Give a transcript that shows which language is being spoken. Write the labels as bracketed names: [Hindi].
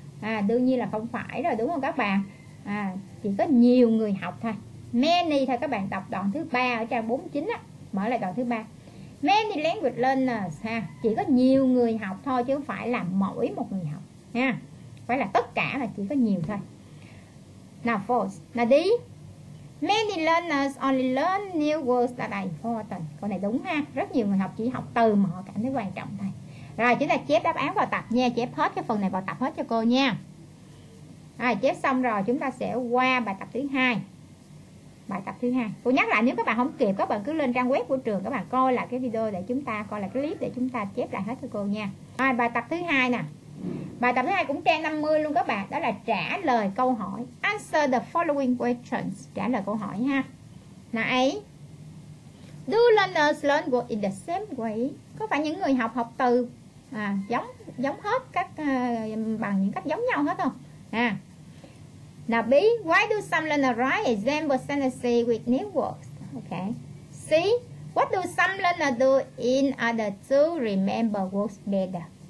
[Vietnamese] À, đương nhiên là không phải rồi đúng không các bạn? À, chỉ có nhiều người học thôi. Many thôi các bạn, đọc đoạn thứ 3 ở trang 49 á, mở lại đoạn thứ 3. [English] Many language learners [Vietnamese] ha, chỉ có nhiều người học thôi chứ không phải là mỗi một người học ha. Phải là tất cả là chỉ có nhiều thôi. [English] Now false. Now đi. Many learners only learn new words that are important. [Vietnamese] Câu này đúng ha, rất nhiều người học chỉ học từ mà họ cảm thấy quan trọng thôi. Rồi chúng ta chép đáp án vào tập nha, chép hết cái phần này vào tập hết cho cô nha. Rồi chép xong rồi chúng ta sẽ qua bài tập thứ 2. Bài tập thứ hai. Cô nhắc lại nếu các bạn không kịp, các bạn cứ lên trang web của trường, các bạn coi lại cái video để chúng ta coi lại cái clip để chúng ta chép lại hết cho cô nha. Rồi bài tập thứ hai nè. Bài tập thứ hai cũng trang 50 luôn các bạn, đó là trả lời câu hỏi. [English] Answer the following questions, [Vietnamese] trả lời câu hỏi ha. [English] Này, do learners learn words in the same way? [Vietnamese] Có phải những người học học từ à, giống hết các bằng những cách giống nhau hết không? [English] À. Now B, why do some learners write example sentences with new words? Okay. C, what do some learners do in order to remember words better?